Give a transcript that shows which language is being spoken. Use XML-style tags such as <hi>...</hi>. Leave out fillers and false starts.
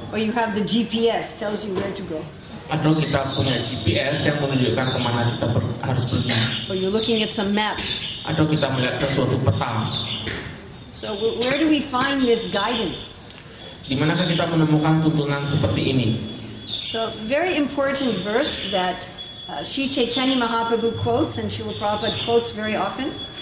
<en>Or you have the GPS tells you where to go.</en> <id>Atau kita punya GPS yang menunjukkan kemana kita harus pergi.</id> <en>Or you're looking at some map.</en> <id>Atau kita melihat ke suatu peta.</id> <en>So where do we find this guidance?</en> <id>Di manakah kita menemukan tuntunan seperti ini?</id> <en>So very important verse that Sri Chaitanya Mahaprabhu quotes and Srila Prabhupada quotes very often.</en>